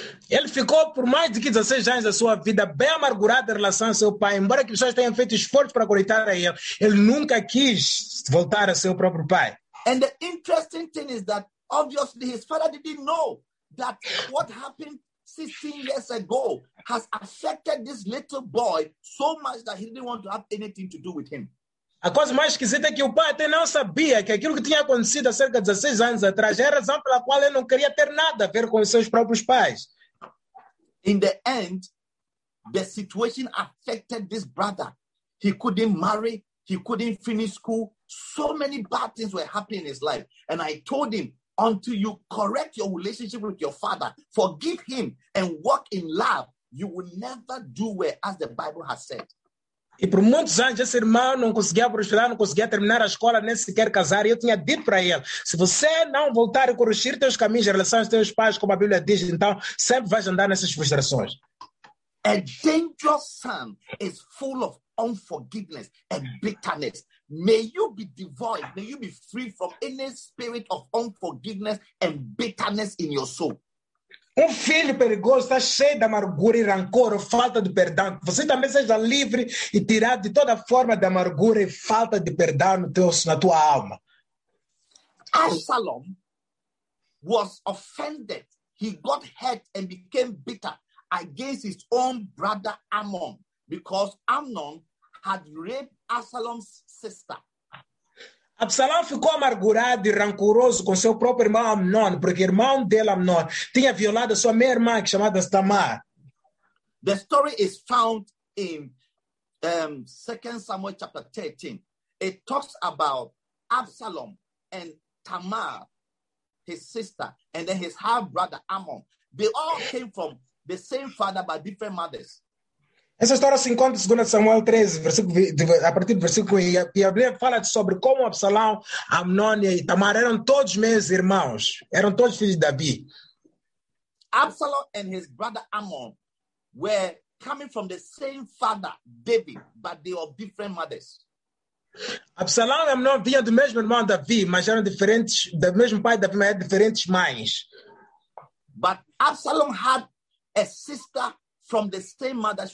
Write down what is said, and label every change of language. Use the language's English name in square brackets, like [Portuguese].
[Portuguese] Ele ficou por mais de 16 anos da sua vida bem amargurado em relação ao seu pai. Embora que pessoas tenham feito esforço para conectar a ele, ele nunca quis voltar ao seu próprio pai. [English] And the interesting thing is that obviously his father didn't know that what happened 16 years ago has affected this little boy so much that he didn't want to have anything to do with him. [Portuguese] A coisa mais esquisita é que o pai até não sabia que aquilo que tinha acontecido há cerca de 16 anos atrás era a razão pela qual ele não queria ter nada a ver com os seus próprios pais. [English] In the end, the situation affected this brother. He couldn't marry, he couldn't finish school. So many bad things were happening in his life. And I told him, until you correct your relationship with your father, forgive him and walk in love, you will never do well, as the Bible has said. [Portuguese] E por muitos anos esse irmão não conseguia prosperar, não conseguia terminar a escola, nem sequer casar. E eu tinha dito para ele, se você não voltar e corrigir teus caminhos em relação aos teus pais, como a Bíblia diz, então sempre vais andar nessas frustrações. [English] A dangerous son is full of unforgiveness and bitterness. May you be devoid, may you be free from any spirit of unforgiveness and bitterness in your soul. [Portuguese] Um filho perigoso está cheio de amargura e rancor, falta de perdão. Você também seja livre e tirado de toda forma de amargura e falta de perdão no teu, na tua alma. [English] Absalom was offended. He got hurt and became bitter against his own brother Amnon, because Amnon had raped Absalom's sister. [Portuguese] Absalão ficou amargurado e rancoroso com seu próprio irmão Amnon, porque o irmão dele, Amnon, tinha violado sua meia-irmã, que chamada Tamar. [English] The story is found in 2 Samuel chapter 13. It talks about Absalom and Tamar, his sister, and then his half-brother Amnon. They all came from the same father but different mothers. [Portuguese] Essa história se encontra em 2 Samuel 13, a partir do versículo 1. E a fala sobre como Absalão, Amnon e Tamar eram todos meus irmãos. Eram todos filhos de Davi. [English] Absalom and his brother Amnon were coming from the same father, David, but they were different mothers. [Portuguese] Absalão e Amnon vinham do mesmo irmão Davi, mas eram diferentes, do mesmo pai Davi, mas eram diferentes mães. [English] But Absalom had a sister from the same mother.